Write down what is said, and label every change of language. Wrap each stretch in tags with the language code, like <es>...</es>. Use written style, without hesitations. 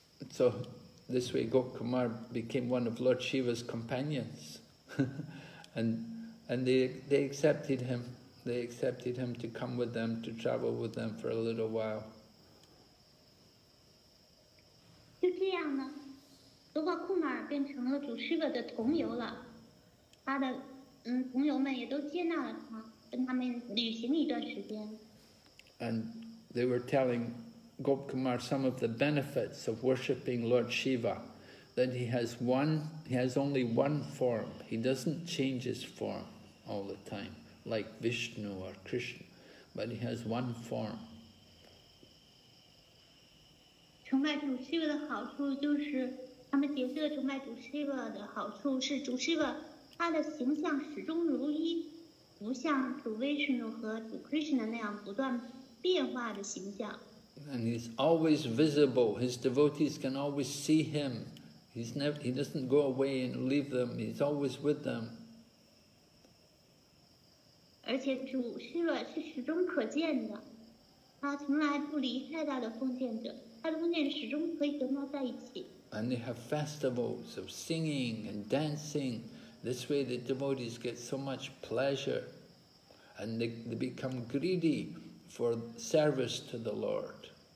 <en>So, this way Gopkumar became one of Lord Shiva's companions. and they accepted him. They accepted him to come with them, to travel with them for a little while.</en> <zh>就这样呢，罗巴库马尔变成了主师傅的同游了，他的同游们也都接纳了他，跟他们旅行一段时间。</zh> <en>And they were telling Gopkumar some of the benefits of worshipping Lord Shiva, that he has only one form, he doesn't change his form all the time, like Vishnu or Krishna, but he has one form.</en> <zh>崇拜主 Shiva 的好处就是，他们解释了崇拜主 Shiva 的好处是主 Shiva 他的形象始终如一，不像主 Vishnu 和主 Krishna 那样不断变化的形象。</zh> <en>And he's always visible. His devotees can always see him. He doesn't go away and leave them. He's always with them.</en> <zh>而且主 Shiva 是始终可见的，他从来不离开他的奉献者。</zh> <en>And they have festivals of singing and dancing. This way the devotees get so much pleasure and they become greedy for service to the Lord.</en>